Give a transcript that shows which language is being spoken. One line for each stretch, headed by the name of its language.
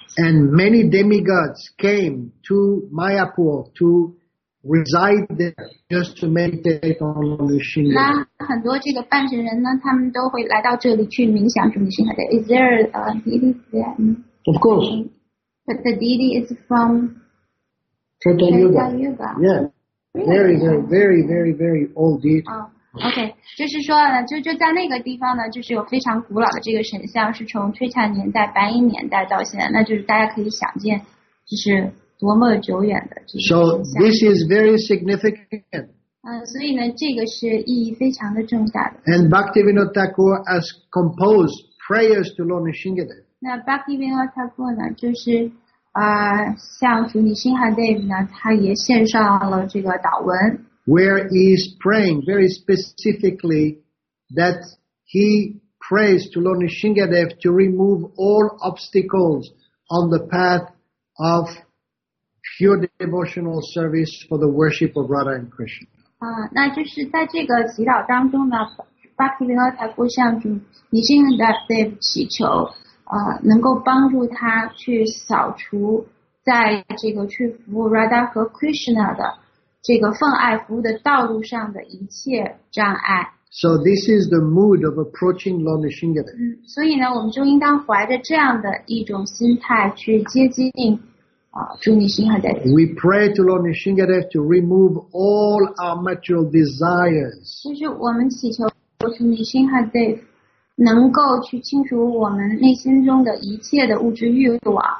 English: And many demigods came to Mayapur to reside there just to meditate on Nrsimhadev.
Chinese: 那很多这个半神人呢他们都会来到这里去冥想主Nrsimhadev.
English: Is there a deity there? Of course. But the deity is from Treta Yuga. Yeah. There is a very, very, very old deity.
Chinese: OK, 就是说呢就在那个地方呢就是有非常古老的这个神像是从推产年代白银年代到现在那就是大家可以想见就是多么久远的这个神像。
English: So this is very significant.
Chinese: 所以呢这个是意义非常的重大的。
English: And Bhaktivinoda Thakur has composed prayers to Lord Nrsimhadev.
Chinese: 那 Bhaktivinoda Thakur 呢就是像主Nrsimhadev 呢他也献上了这个祷文。
English: Where he is praying very specifically that he prays to Lord Nrsimhadev to remove all obstacles on the path of pure devotional service for the worship of Radha and Krishna.
Chinese: 那就是在这个祈祷当中呢，巴提维诺塔库向主Nrsimhadev祈求，能够帮助他去扫除在这个去服务 Radha 和 Krishna 的。这个奉爱服务的道路上的一切障碍。
English: So this is the mood of approaching Lord Nrsimhadev.
Chinese: 所以呢，我们就应当怀着这样的一种心态去接近主Nrsimhadev。
English: We pray to Lord Nrsimhadev to remove all our material desires.
Chinese: 就是我们祈求主Nrsimhadev能够去清除我们内心中的一切的物质欲望。